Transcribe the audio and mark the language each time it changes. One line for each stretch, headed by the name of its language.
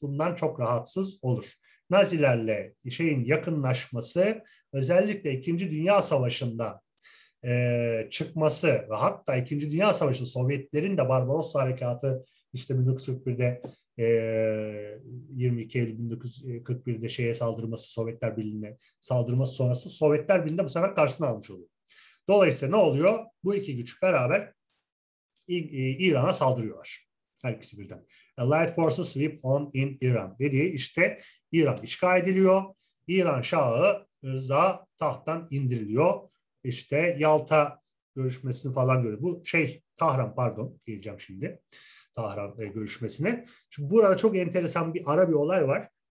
Turkish: Bundan çok rahatsız olur. Nazilerle şeyin yakınlaşması, özellikle İkinci Dünya Savaşı'nda çıkması ve hatta İkinci Dünya Savaşı Sovyetlerin de Barbarossa Harekatı işte 1941'de 22 Eylül 1941'de şeye saldırması, Sovyetler Birliği'ne saldırması sonrası Sovyetler Birliği'nde bu sefer karşısına almış oluyor. Dolayısıyla ne oluyor? Bu iki güç beraber İran'a saldırıyorlar. Her ikisi birden.
English: Allied Forces sweep on in Iran.
Turkish: Dediği işte İran işgal ediliyor. İran Şahı Rıza tahttan indiriliyor. İşte Yalta görüşmesini falan görüyor. Bu şey Tahran pardon geleceğim şimdi. Tahran görüşmesine. Şimdi burada çok enteresan bir ara bir olay var.